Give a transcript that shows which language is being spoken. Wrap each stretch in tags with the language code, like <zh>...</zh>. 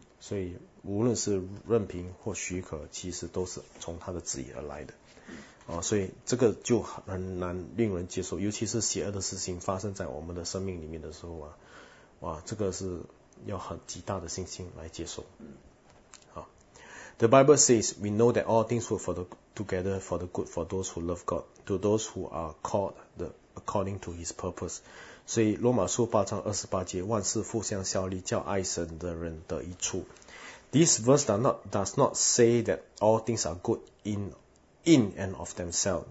<zh>所以无论是任凭或许可，其实都是从他的旨意而来的所以这个就很难令人接受，尤其是邪恶的事情发生在我们的生命里面的时候哇，这个是要很极大的信心来接受。嗯，</zh> <en>好 ，The Bible says we know that all things work together for the good for those who love God, to those who are called according to His purpose。</en> <zh>所以罗马书八章二十八节，万事互相效力，叫爱神的人得益处。</zh> <en>This verse does not say that all things are good in and of themselves.</en>